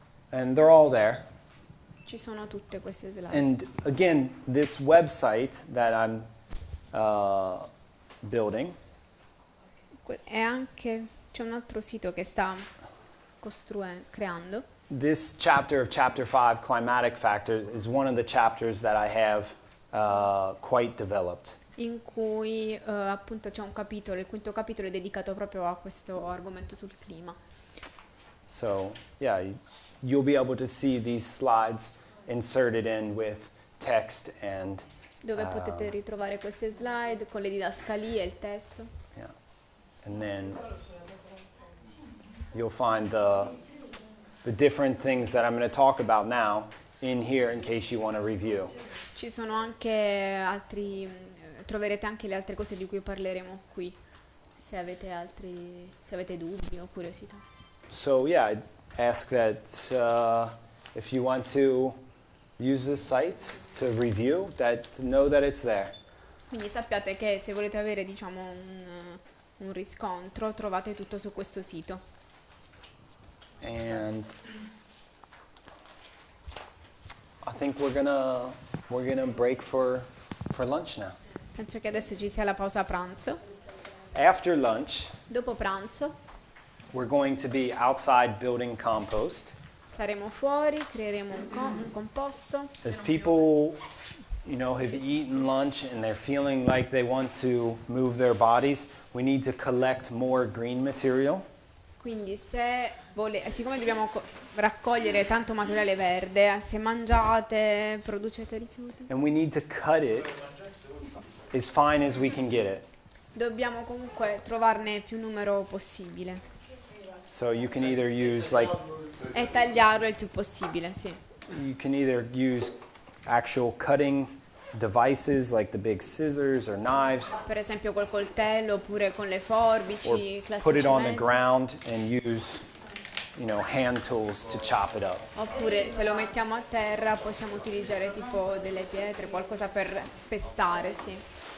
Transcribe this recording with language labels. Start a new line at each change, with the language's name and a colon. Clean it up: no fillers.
English: And they're all there.
Italian: Ci sono tutte queste slide.
English: And again, this website that I'm building.
Italian: E anche c'è un altro sito che sta creando.
English: This chapter of chapter 5, climatic factors, is one of the chapters that I have quite developed.
Italian: In cui appunto c'è un capitolo, il quinto capitolo è dedicato proprio a questo argomento sul clima.
English: So, yeah, you'll be able to see these slides inserted in with text and
Italian: dove potete ritrovare queste slide con le didascalie e il testo.
English: Yeah. And then you'll find the different things that I'm going to talk about now in here in case you want to review.
Italian: Ci sono anche altri, troverete anche le altre cose di cui parleremo qui se avete altri, se avete dubbi o curiosità.
English: So yeah, I'd ask that if you want to use this site to review, that to know that it's there.
Italian: Quindi sappiate che se volete avere diciamo un riscontro, trovate tutto su questo sito.
English: And I think we're gonna break for lunch now.
Italian: Penso che adesso ci sia la pausa pranzo.
English: After lunch,
Italian: dopo pranzo,
English: we're going to be outside building compost.
Italian: Saremo fuori, creeremo un composto.
English: If people, you know, have eaten lunch and they're feeling like they want to move their bodies, we need to collect more green material.
Italian: Quindi se siccome dobbiamo raccogliere tanto materiale verde, se mangiate, producete rifiuti.
English: And we need to cut it as fine as we can get it.
Italian: Dobbiamo comunque trovarne più numero possibile.
English: So you can either use like
Italian: e tagliarlo il più possibile, sì.
English: You can either use actual cutting devices like the big scissors or knives.
Italian: Per esempio col coltello oppure con le forbici,
English: or
Italian: classici.
English: Put it on
Italian: mezzi.
English: The ground and use, you know, hand tools to chop it up.
Italian: Oppure se lo mettiamo a terra possiamo utilizzare tipo delle pietre, qualcosa per pestare, sì.